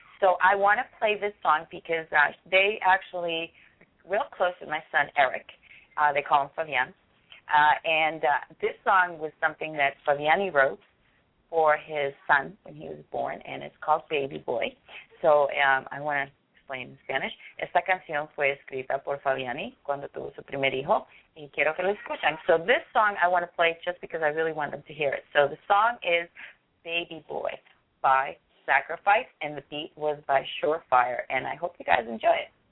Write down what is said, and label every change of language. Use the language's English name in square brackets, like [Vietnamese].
[English] So I want to play this song because they actually... real close with my son, Eric. They call him Fabian. And this song was something that Fabiani wrote for his son when he was born, and it's called Baby Boy. So I want to explain in Spanish. [Spanish] Esta canción fue escrita por Fabiani cuando tuvo su primer hijo, y quiero que lo escuchen. [English] So this song I want to play just because I really want them to hear it. So the song is Baby Boy by Sacrifice, and the beat was by Surefire, and I hope you guys enjoy it.